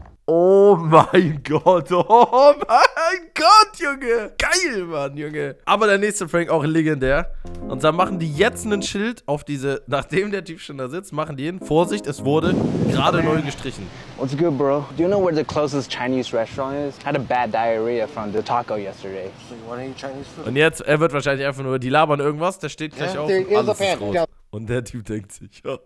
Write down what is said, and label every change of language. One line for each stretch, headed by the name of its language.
German: Oh mein Gott, oh mein Gott, Junge. Geil, Mann, Junge. Aber der nächste Prank auch legendär. Und zwar machen die jetzt ein Schild auf diese, nachdem der Typ schon da sitzt, machen die ihn. Vorsicht, es wurde gerade neu gestrichen.
English: What's good, bro? Do you know where the closest Chinese restaurant is? I had a bad diarrhea from the taco yesterday. So you want any Chinese food?
German: Und jetzt, er wird wahrscheinlich einfach nur, die labern irgendwas, der steht gleich auf und alles ist raus. Und der Typ denkt sich, ja.